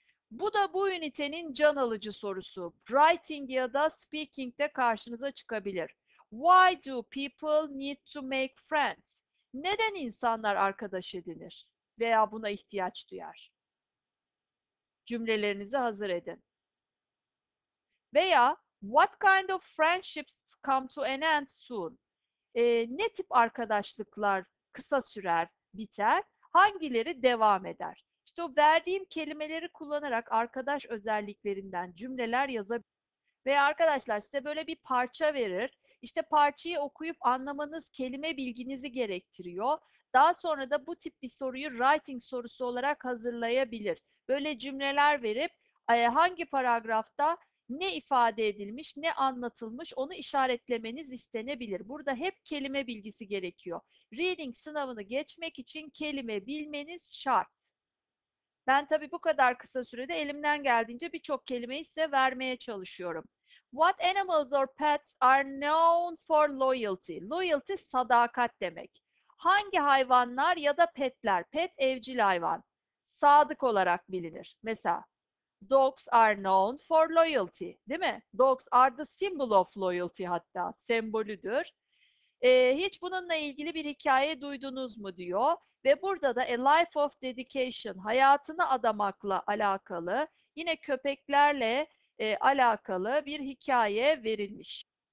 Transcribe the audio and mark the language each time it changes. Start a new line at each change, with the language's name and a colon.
Turkish: Bu da bu ünitenin can alıcı sorusu. Writing ya da speaking'de karşınıza çıkabilir.
English: Why do people need to make friends?
Turkish: Neden insanlar arkadaş edinir veya buna ihtiyaç duyar? Cümlelerinizi hazır edin.
English: Veya what kind of friendships come to an end soon?
Turkish: Ne tip arkadaşlıklar kısa sürer, biter? Hangileri devam eder? İşte o verdiğim kelimeleri kullanarak arkadaş özelliklerinden cümleler yazabilir. Veya arkadaşlar size böyle bir parça verir. İşte parçayı okuyup anlamanız kelime bilginizi gerektiriyor. Daha sonra da bu tip bir soruyu writing sorusu olarak hazırlayabilir. Böyle cümleler verip hangi paragrafta ne ifade edilmiş, ne anlatılmış onu işaretlemeniz istenebilir. Burada hep kelime bilgisi gerekiyor. Reading sınavını geçmek için kelime bilmeniz şart. Ben tabii bu kadar kısa sürede elimden geldiğince birçok kelimeyi size vermeye çalışıyorum.
English: What animals or pets are known for loyalty?
Turkish: Loyalty sadakat demek. Hangi hayvanlar ya da petler, pet evcil hayvan, sadık olarak bilinir?
English: Mesela dogs are known for loyalty,
Turkish: değil mi?
English: Dogs are the symbol of loyalty
Turkish: hatta, sembolüdür. Hiç bununla ilgili bir hikaye duydunuz mu diyor. Ve burada da A Life of Dedication, hayatını adamakla alakalı, yine köpeklerle alakalı bir hikaye verilmiş.